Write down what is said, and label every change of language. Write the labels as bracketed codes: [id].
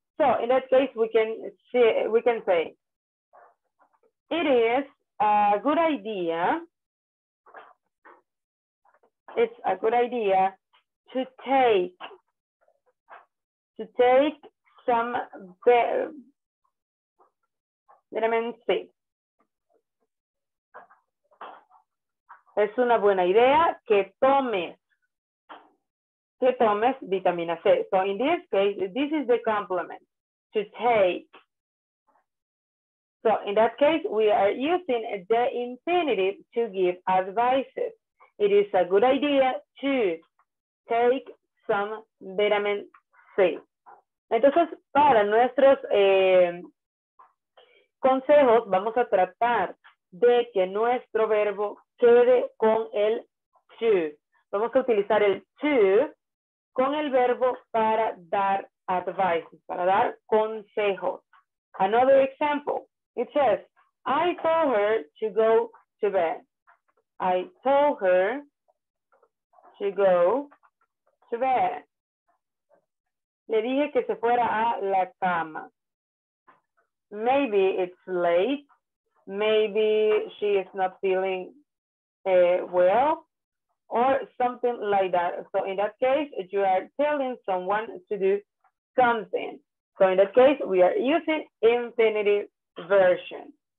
[en] So in that case, we can say, it is a good idea. It's a good idea to take some vitamin C. [es] Es una buena idea que tomes vitamina C. [en] So in this case, this is the complement, to take. So in that case, we are using the infinitive to give advices. It is a good idea to take some vitamin C. [es] Entonces, para nuestros consejos, vamos a tratar de que nuestro verbo quede con el to. Vamos a utilizar el to con el verbo para dar advice, para dar consejos. [en] Another example. It says, I told her to go to bed. I told her to go to bed. [es] Le dije que se fuera a la cama. [en] Maybe it's late. Maybe she is not feeling well, or something like that. So in that case, you are telling someone to do something. So in that case, we are using infinitive version.